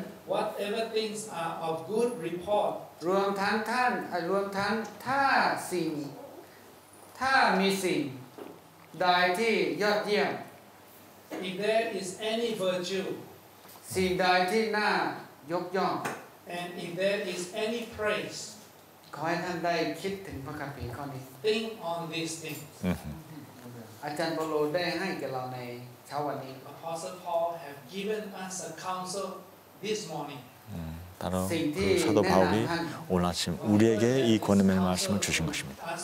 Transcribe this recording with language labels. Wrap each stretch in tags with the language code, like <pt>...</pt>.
<en>Whatever things are of good report.</en> <th>รวมทั้งท่านรวมทั้งถ้าสิ่งถ้ามีสิ่งใดที่ยอดเยี่ยม</th> <en>If there is any virtue.</en> <th>สิ่งใดที่น่ายกย่อง</th> <en>And if there is any praise.</en> <th>ขอให้ท่านได้คิดถึงพระคัมภีร์ข้อนี้</th> <en>Think on these things.</en> <th>อาจารย์เปาโลได้ให้แก่เราในเช้าวันนี้</th> <en>Apostle Paul have given us a counsel this morning.</en> <ko>바로 그 사도 바울이 오늘 아침 우리에게 이 권면의 말씀을 주신 것입니다.</ko>